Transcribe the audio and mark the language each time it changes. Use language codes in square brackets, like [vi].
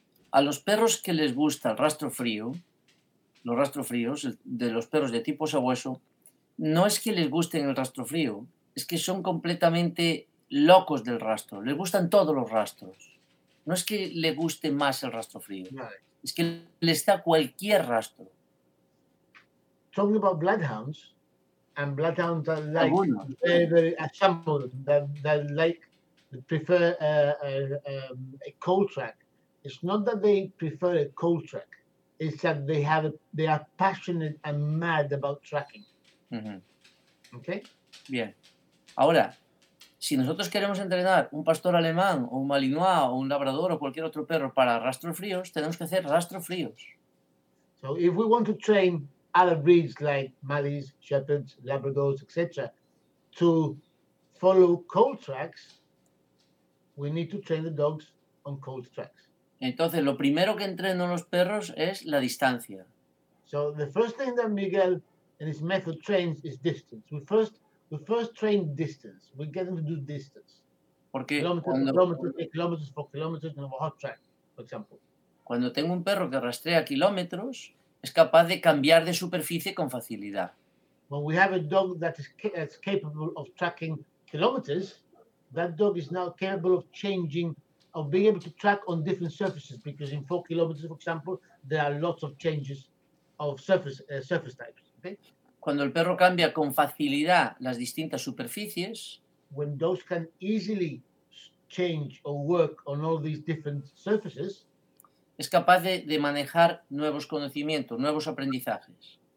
[es] A los perros que les gusta el rastro frío, los rastros fríos, de los perros de tipo sabueso, no es que les gusten el rastro frío, es que son completamente locos del rastro. Les gustan todos los rastros. No es que le guste más el rastro frío. Vale. Es que les da cualquier rastro. [en] Talking about bloodhounds, and bloodhounds that like a cold track. It's not that they prefer a cold track. It's that they are passionate and mad about tracking. Mm-hmm. Okay? [es] Bien. Ahora, si nosotros queremos entrenar un pastor alemán o un malinois o un labrador o cualquier otro perro para rastros fríos, tenemos que hacer rastros fríos. [en] So if we want to train other breeds like Malinois, Shepherds, Labradors, etc., to follow cold tracks, we need to train the dogs on cold tracks. [es] Entonces, lo primero que entreno los perros es la distancia. [en] So the first thing that Miguel and his method trains is distance. We first train distance. We get them to do distance. [es] Porque [en] kilometers for kilometers on a hot track, for example. [es] Cuando tengo un perro que rastrea kilómetros, es capaz de cambiar de superficie con facilidad. [en] When we have a dog that is capable of tracking kilometers, that dog is now capable of changing, of being able to track on different surfaces, because in 4 kilometers, for example, there are lots of changes of surface types. [es] Cuando el perro cambia con facilidad las distintas superficies, [en] when dogs can easily change or work on all these different surfaces, [es] es capaz de manejar nuevos conocimientos, nuevos aprendizajes.